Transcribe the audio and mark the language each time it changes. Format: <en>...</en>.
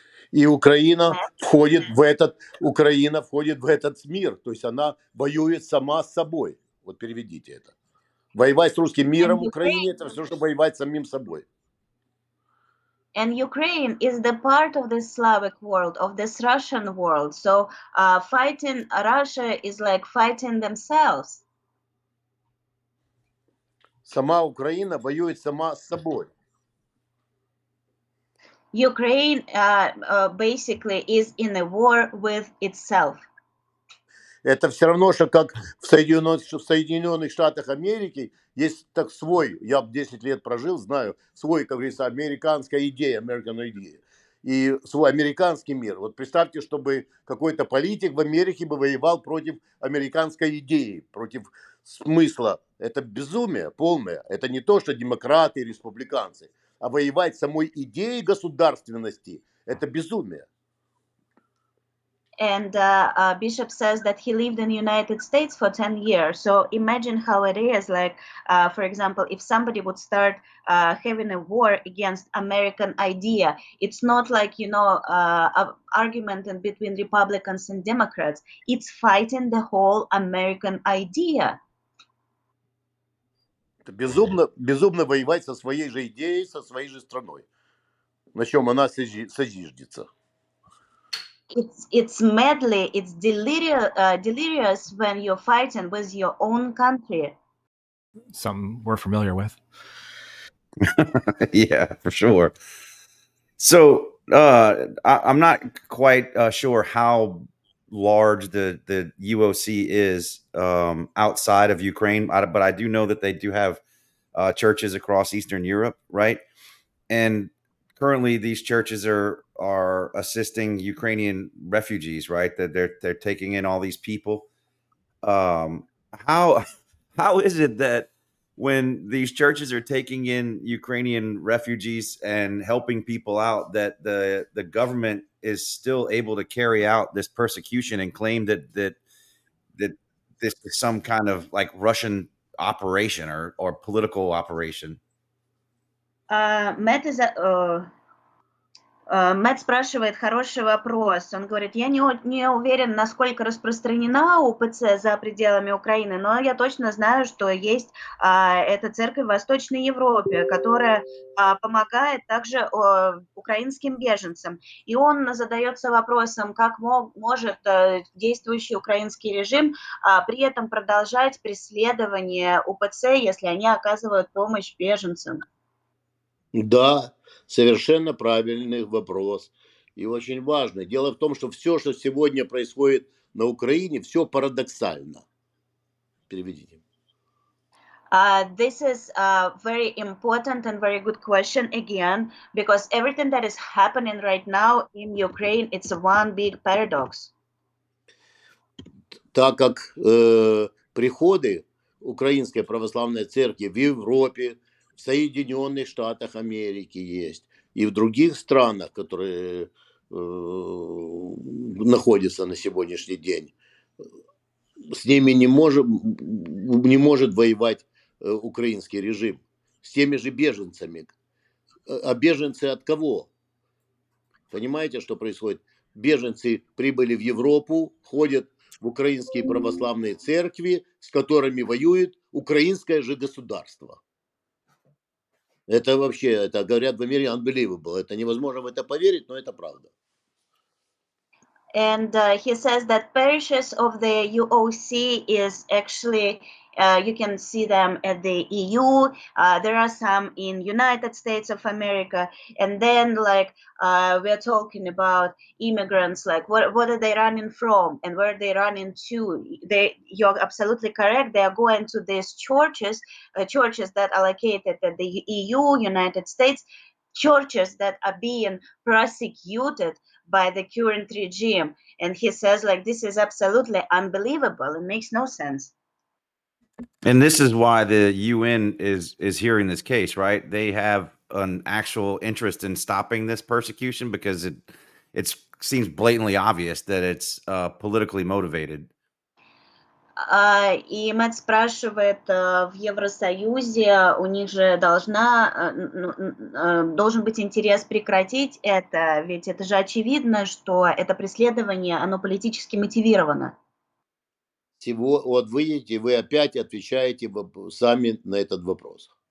<ru>И Украина входит в этот, Украина входит в этот мир. То есть она воюет сама с собой. Вот переведите это. Воевать с русским миром в Украине, это все, что воевать с самим собой.</ru> <en>And Ukraine is the part of this Slavic world, of this Russian world. So fighting Russia is like fighting themselves.</en> <ru>Сама Украина воюет сама с собой.</ru> <en>Ukraine basically is in a war with itself.</en> <ru>Это все равно, что как в Соединенных Штатах Америки есть так свой, я 10 лет прожил, знаю, свой, как говорится, американская идея,</ru> <en>American idea,</en> <ru>и свой американский мир. Вот представьте, чтобы какой-то политик в Америке бы воевал против американской идеи, против смысла. Это безумие полное. Это не то, что демократы и республиканцы, а воевать самой идеей государственности – это безумие.</ru> <en>And Bishop says that he lived in the United States for 10 years. So imagine how it is, like, for example, if somebody would start having a war against American idea, it's not like, you know, an argument in between Republicans and Democrats. It's fighting the whole American idea.</en> <ru>Это безумно, безумно воевать со своей же идеей, со своей же страной, на чем она созиждется.</ru> <en>It's madly, it's delirious when you're fighting with your own country. Something we're familiar with. Yeah, for sure. So I'm not quite sure how large the UOC is outside of Ukraine, but I do know that they do have churches across Eastern Europe, right? And currently these churches are assisting Ukrainian refugees, right? That they're taking in all these people. How is it that when these churches are taking in Ukrainian refugees and helping people out, that the government is still able to carry out this persecution and claim that this is some kind of like Russian operation or political operation?</en> <ru>Мэтт из... Мэтт спрашивает хороший вопрос. Он говорит, я не уверен, насколько распространена УПЦ за пределами Украины, но я точно знаю, что есть эта церковь в Восточной Европе, которая помогает также украинским беженцам. И он задается вопросом, как может действующий украинский режим при этом продолжать преследование УПЦ, если они оказывают помощь беженцам? Да. Совершенно правильный вопрос и очень важный. Дело в том, что все, что сегодня происходит на Украине, все парадоксально. Переведите.</ru> <en>This is a very important and very good question again, because everything that is happening right now in Ukraine, it's one big paradox.</en> <ru>Так как приходы Украинской Православной Церкви в Европе, в Соединенных Штатах Америки есть, и в других странах, которые находятся на сегодняшний день, с ними не может воевать украинский режим, с теми же беженцами. А беженцы от кого? Понимаете, что происходит? Беженцы прибыли в Европу, ходят в украинские православные церкви, с которыми воюет украинское же государство. Это вообще, это говорят в Америке, unbelievable. Это невозможно в это поверить, но это правда.</ru> <en>And he says that parishes of the UOC is actually, you can see them at the EU. There are some in United States of America. And then, like, we are talking about immigrants. Like, what are they running from, and where are they running to? You're absolutely correct. They are going to these churches, churches that are located at the EU, United States, churches that are being persecuted by the current regime. And he says, like, this is absolutely unbelievable. It makes no sense. And this is why the UN is hearing this case, right? They have an actual interest in stopping this persecution because it seems blatantly obvious that it's politically motivated.</en> <ru>И Мэтт спрашивает, в Евросоюзе у них же должен быть интерес прекратить это, ведь это же очевидно, что это преследование, оно политически мотивировано. Вот видите, вы опять отвечаете сами на этот вопрос.</ru>